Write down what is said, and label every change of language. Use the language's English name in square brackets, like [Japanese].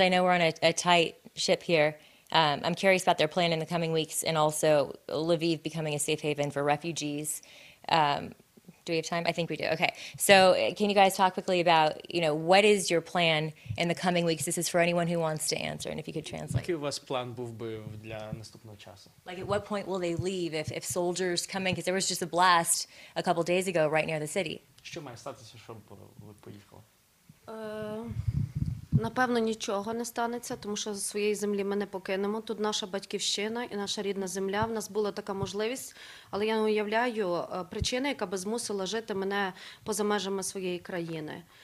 [English] I know we're on a tight ship here. I'm curious about their plan in the coming weeks and also Lviv becoming a safe haven for refugees. Do we have time? I think we do. Okay. So can you guys talk quickly about, you know, what is your plan in the coming weeks? This is for anyone who wants to answer, and if you could translate. [Ukrainian] Який у вас план був би для наступного часу? [English] Like, at what point will they leave if soldiers come in? Because there was just a blast a couple days ago right near the city. [Ukrainian] Що має статися, щоб ви поїхали? Напевно, нічого не станеться, тому що зі своєї землі ми не покинемо. Тут наша батьківщина і наша рідна земля. В нас була така можливість, але я не уявляю причини, яка би змусила жити мене поза межами своєї країни.